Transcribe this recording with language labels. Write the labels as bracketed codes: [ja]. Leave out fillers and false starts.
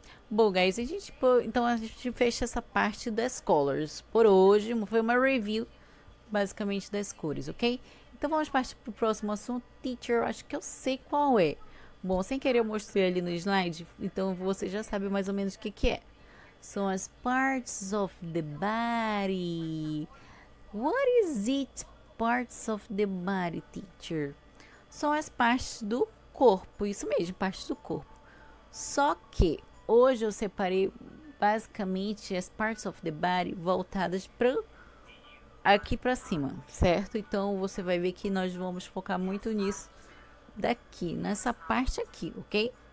[pt] Bom, guys, então a gente fecha essa parte das colors por hoje. Foi uma review, basicamente, das cores, ok? Então vamos partir para o próximo assunto. Teacher, eu acho que eu sei qual é. Bom, sem querer, eu mostrei ali no slide, então você já sabe mais ou menos o que que é. São as [en] parts of the body. What is it, parts of the body, teacher? [pt] São as partes do corpo, isso mesmo, partes do corpo. Só que hoje eu separei basicamente as [en] parts of the body [pt] voltadas para aqui para cima, certo? Então você vai ver que nós vamos focar muito nisso daqui, nessa parte aqui, ok?